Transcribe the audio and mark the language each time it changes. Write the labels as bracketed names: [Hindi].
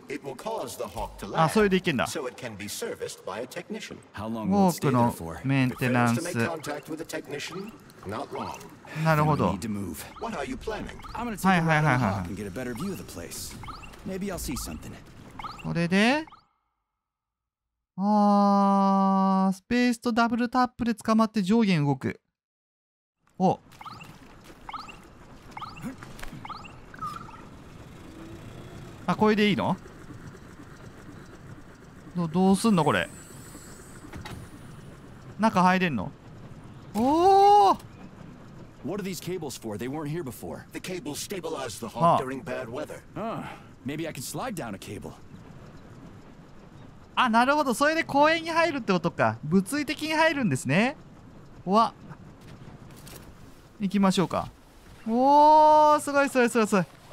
[English] It will cause the hawk to land. [Japanese] あ、それでいけんだ。 [English] So it can be serviced by a technician. How long will it stay there for? メンテナンス。Not long. [Japanese] なるほど。 [English] You need to move. What are you planning? I'm gonna take a look and get a better view of the place. Maybe I'll see something. [Japanese] これで、スペースとダブルタップで捕まって上下に動く。お。あ、これでいいの？どうすんのこれ。中入れんの？おお。 [English] What are these cables for? They weren't here before. The cables stabilize the hawk during bad weather. Maybe I can slide down a cable. [Japanese] あ、なるほど。それで公園に入るってことか。物理的に入るんですね。わ。行きましょうか。おお、すごいすごいすごいすごい。